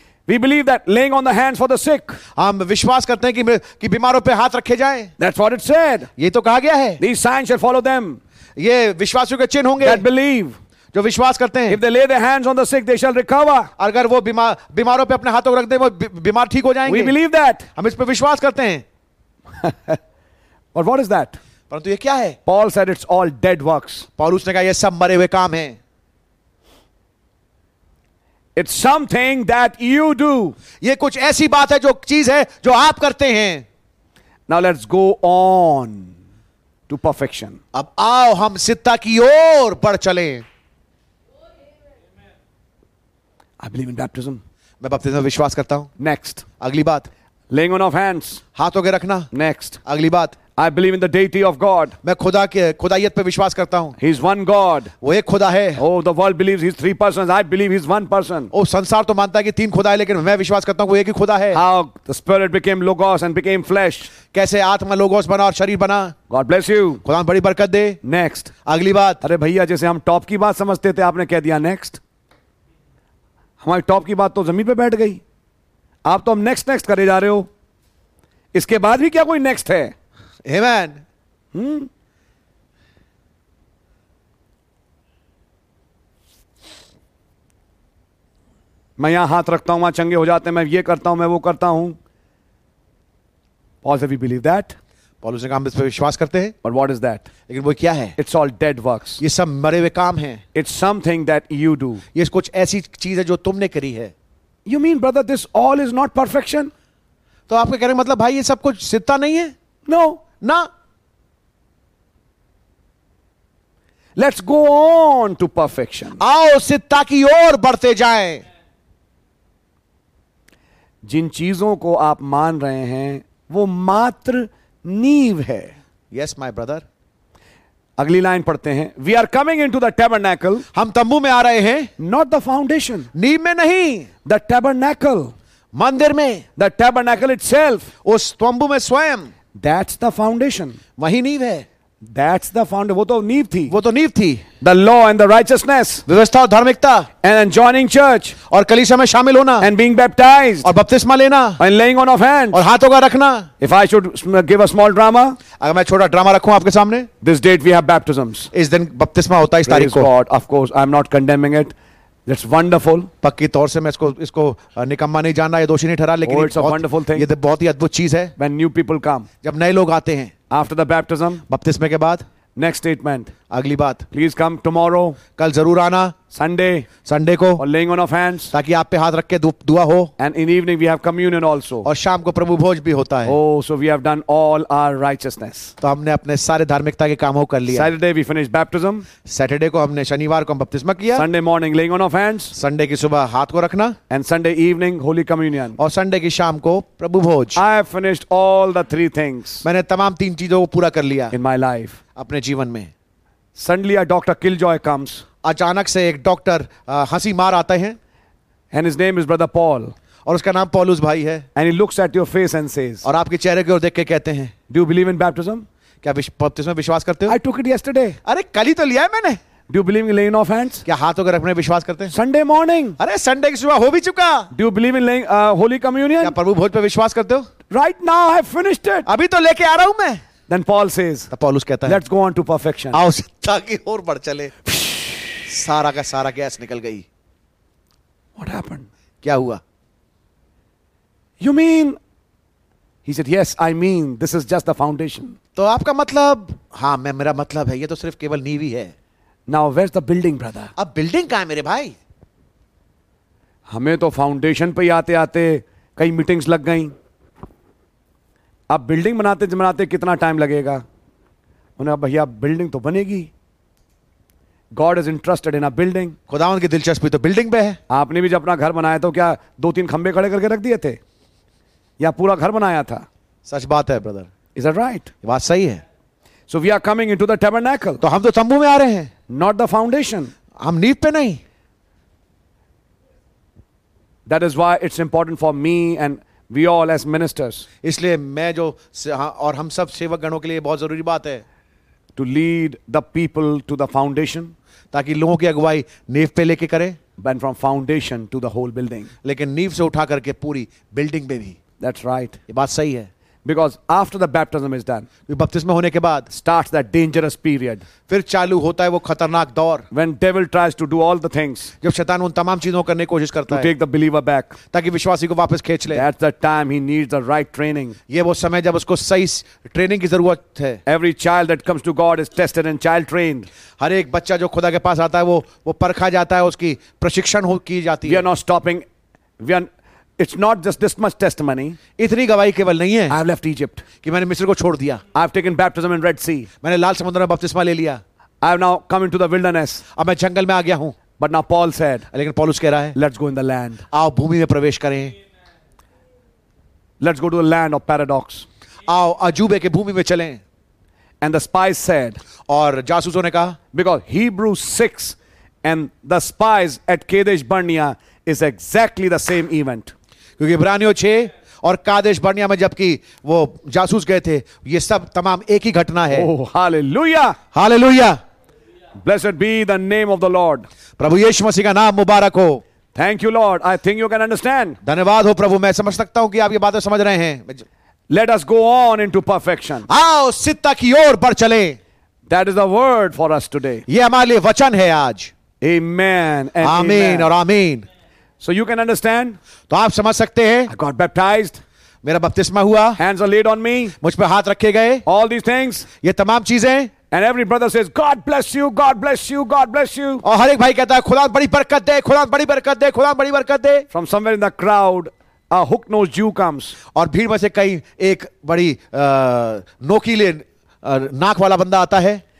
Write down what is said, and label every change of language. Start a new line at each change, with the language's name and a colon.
English: We believe that laying on the hands for the sick.
Hindi: हम विश्वास करते हैं कि बीमारों पे हाथ रखे जाएं.
English: That's what it said.
Hindi: ये तो कहा गया है.
English: These signs shall follow them.
Hindi: ये विश्वासियों के चिन्ह होंगे.
English: That believe.
Hindi: जो विश्वास करते हैं.
English: If they lay their hands on the sick, they shall recover.
Hindi: अगर वो बीमारों पे अपने हाथों को रख दे वो बीमार ठीक हो जाएंगे.
English: We believe that.
Hindi: हम इस पे विश्वास करते हैं.
English: But what is that?
Hindi: परंतु ये क्या है?
English: Paul said it's all dead works.
Hindi: पौलुस ने कहा ये सब मरे हुए काम हैं.
English: It's something that you do.
Hindi: ये कुछ ऐसी बात है जो चीज है जो आप करते हैं.
English: Now let's go on to perfection.
Hindi: अब आओ हम सिद्धता की ओर बढ़ चलें.
English: I believe in baptism.
Hindi: मैं बपतिस्मा विश्वास करता हूं.
English: Next.
Hindi: अगली बात.
English: Laying on of hands.
Hindi: हाथों के रखना.
English: Next.
Hindi: अगली बात.
English: I believe in the deity of God.
Hindi: मैं खुदा के खुदाइयत पे विश्वास करता हूँ.
English: He is one God.
Hindi: वो एक खुदा है.
English: Oh, the world believes he is three persons. I believe he is one person.
Hindi: ओ संसार तो मानता है कि तीन खुदा है लेकिन मैं विश्वास करता हूँ वो एक ही खुदा है.
English: How the spirit became logos and became flesh.
Hindi: कैसे आत्मा लोगोस बना और शरीर बना.
English: God bless you.
Hindi: खुदा बड़ी बरकत दे.
English: Next.
Hindi: अगली बात. अरे भैया जैसे हम टॉप की बात समझते थे आपने कह दिया नेक्स्ट. हमारी टॉप की बात तो जमीन पर बैठ गई. आप तो हम नेक्स्ट नेक्स्ट करे जा रहे हो. इसके बाद भी क्या कोई नेक्स्ट है.
English: Amen.
Hindi: मैं यहां हाथ रखता हूं वहां चंगे हो जाते हैं. मैं ये करता हूं मैं वो करता हूं.
English: Paul said we believe that.
Hindi: पॉलुस ने कहा हम इस पर विश्वास करते हैं.
English: But what is that?
Hindi: लेकिन वो क्या है?
English: It's all dead works.
Hindi: ये सब मरे हुए काम हैं.
English: It's something that you do.
Hindi: ये कुछ ऐसी चीज है जो तुमने करी है.
English: You mean brother this all is not perfection?
Hindi: तो आप कह रहे हैं मतलब भाई ये सब कुछ सिद्धता नहीं है?
English: No.
Hindi: ना.
English: Let's go on to perfection.
Hindi: आओ सिद्धता की ओर बढ़ते जाएं. जिन चीजों को आप मान रहे हैं वो मात्र नींव है.
English: Yes, my brother.
Hindi: अगली लाइन पढ़ते हैं.
English: We are coming into the tabernacle.
Hindi: हम तंबू में आ रहे हैं.
English: Not the foundation.
Hindi: नींव में नहीं.
English: The tabernacle.
Hindi: मंदिर में.
English: The tabernacle itself.
Hindi: उस तंबू में स्वयं.
English: That's the foundation.
Hindi: वही नींव है.
English: That's the foundation.
Hindi: वो तो नींव थी. वो तो नींव थी.
English: The law and the righteousness.
Hindi: व्यवस्था और धार्मिकता.
English: And joining church.
Hindi: और कलीसिया में शामिल होना.
English: And being baptized.
Hindi: और बपतिस्मा लेना.
English: And laying on of hands.
Hindi: और हाथों का रखना.
English: If I should give a small drama.
Hindi: अगर मैं छोटा ड्रामा रखूं आपके सामने.
English: This date we have baptisms.
Hindi: इस दिन बपतिस्मा होता है इस तारीख को.
English: Praise God. Of course, I'm not condemning it. That's wonderful.
Hindi: पक्की तौर से मैं इसको निकम्मा नहीं जानना या दोषी नहीं ठहरा. लेकिन
English: it's a wonderful thing.
Hindi: ये तो बहुत ही अद्भुत चीज है.
English: When new people come.
Hindi: जब नए लोग आते हैं.
English: After the baptism.
Hindi: बपतिस्मे के बाद.
English: Next statement.
Hindi: अगली बात.
English: Please come tomorrow.
Hindi: कल जरूर आना.
English: Sunday.
Hindi: Sunday को.
English: Or laying on of hands.
Hindi: ताकि आप पे हाथ रख के दुआ हो.
English: And in evening we have communion also.
Hindi: और शाम को प्रभु भोज भी होता है.
English: Oh, so we have done all our righteousness.
Hindi: तो हमने अपने सारे धार्मिकता के कामों कर लिया.
English: Saturday we finished baptism.
Hindi: Saturday को हमने शनिवार को बपतिस्मा किया.
English: Sunday morning laying on of hands.
Hindi: Sunday की सुबह हाथ को रखना.
English: And Sunday evening holy communion.
Hindi: और संडे की शाम को प्रभु भोज.
English: I have finished all the three things.
Hindi: मैंने तमाम तीन चीजों को पूरा कर लिया.
English: In my life.
Hindi: अपने जीवन में.
English: Suddenly a doctor Killjoy comes.
Hindi: अचानक से एक डॉक्टर हंसी मार आते हैं.
English: And his name is brother Paul.
Hindi: और उसका नाम पॉलुस भाई है.
English: And he looks at your face and says.
Hindi: और आपके चेहरे की ओर देख के कहते हैं.
English: Do you believe in baptism?
Hindi: क्या बपतिस्मे में विश्वास करते हो?
English: I took it yesterday.
Hindi: अरे कल ही तो लिया है मैंने.
English: Do you believe in laying of hands?
Hindi: क्या हाथों को रखने में विश्वास करते हैं?
English: Sunday morning.
Hindi: अरे संडे की सुबह हो भी चुका.
English: Do you believe in laying holy communion?
Hindi: क्या प्रभु भोज पर विश्वास करते हो?
English: Right now I finished it.
Hindi: अभी तो लेके आ रहा हूं मैं.
English: Then Paul says.
Hindi: तो पॉलुस कहता है.
English: Let's go on to perfection.
Hindi: आओ ताकि और बढ़ चले. सारा का सारा गैस निकल गई.
English: What happened?
Hindi: क्या हुआ?
English: You mean? He said, yes, I mean, this is just the foundation.
Hindi: तो आपका मतलब? हाँ, मैं मेरा मतलब है, ये तो सिर्फ केवल नींव ही है.
English: Now, where's the building, brother?
Hindi: अब बिल्डिंग कहाँ है मेरे भाई? हमें तो फाउंडेशन पे आते आते कई मीटिंग्स लग गई. अब बिल्डिंग बनाते बनाते कितना टाइम लगेगा? उन्हें भैया बिल्डिंग तो बनेगी.
English: God is interested in a building.
Hindi: खुदावंद की दिलचस्पी तो बिल्डिंग पे है. आपने भी जब अपना घर बनाया तो क्या दो तीन खंबे खड़े करके रख दिए थे या पूरा घर बनाया था? सच बात है ब्रदर.
English: Is that right?
Hindi: बात सही है.
English: So we are coming into the tabernacle.
Hindi: तो हम तो तंबू में आ रहे हैं.
English: Not the foundation.
Hindi: हम नींव पे नहीं.
English: That is why it's important for me and we all as ministers.
Hindi: इसलिए मैं जो और हम सब सेवक गणों के लिए बहुत जरूरी बात है.
English: To lead the people to the foundation.
Hindi: ताकि लोगों की अगुवाई नींव पे लेके करे.
English: And from foundation to the whole building.
Hindi: लेकिन नींव से उठा करके पूरी बिल्डिंग पे भी.
English: That's right.
Hindi: ये बात सही है.
English: Because after the baptism is done.
Hindi: बपतिस्मा होने के बाद.
English: Starts that dangerous period.
Hindi: फिर चालू होता है वो खतरनाक दौर.
English: When devil tries to do all the things.
Hindi: जब शैतान उन तमाम चीजों करने की कोशिश करता है.
English: To take the believer back.
Hindi: ताकि विश्वासी को वापस खींच ले.
English: That's the time he needs the right training.
Hindi: ये वो समय जब उसको सही ट्रेनिंग की जरूरत है.
English: Every child that comes to God is tested and child trained.
Hindi: हर एक बच्चा जो खुदा के पास आता है वो परखा जाता है. उसकी प्रशिक्षण की जाती है.
English: We are not stopping. It's not just this much testimony.
Hindi: इतनी गवाही केवल नहीं है.
English: I have left Egypt.
Hindi: कि मैंने मिस्र को छोड़ दिया.
English: I have taken baptism in Red Sea.
Hindi: मैंने लाल समुद्र में बपतिस्मा ले लिया.
English: I have now come into the wilderness.
Hindi: अब मैं जंगल में आ गया हूँ.
English: But now Paul said.
Hindi: लेकिन पॉलुस कह रहा है.
English: Let's go in the land.
Hindi: आओ भूमि में प्रवेश करें.
English: Let's go to the land of paradox.
Hindi: आओ अजूबे के भूमि में चलें.
English: And the spies said.
Hindi: और जासूसों ने कहा.
English: Because Hebrews 6 and the spies at Kadesh Barnea is exactly the same event.
Hindi: क्योंकि इब्रानियों 6 और कादेश बर्निया में जबकि वो जासूस गए थे ये सब तमाम एक ही घटना है. Hallelujah hallelujah.
English: Blessed be the name of the lord.
Hindi: प्रभु यीशु मसीह का नाम मुबारक हो.
English: Thank you lord. I think you can understand.
Hindi: धन्यवाद हो प्रभु. मैं समझ सकता हूं कि आप ये बातें समझ रहे हैं.
English: Let us go on into perfection.
Hindi: आओ सिद्धता की ओर बढ़ चले.
English: That is the word for us today.
Hindi: ये हमारे लिए वचन है आज. आमीन एंड आमीन और आमीन.
English: So you can understand.
Hindi: तो आप समझ सकते हैं.
English: I got baptized.
Hindi: मेरा बपतिस्मा हुआ.
English: Hands are laid on me.
Hindi: मुझ पे हाथ रखे गए.
English: All these things.
Hindi: ये तमाम चीजें.
English: And every brother says, God bless you, God bless you, God bless you.
Hindi: और हर एक भाई कहता है, खुदा बड़ी बरकत दे, खुदा बड़ी बरकत दे, खुदा बड़ी बरकत दे.
English: From somewhere in the crowd, a hook-nosed Jew comes.
Hindi: और भीड़ में से कहीं एक बड़ी नोकीले नाक वाला बंदा आता है.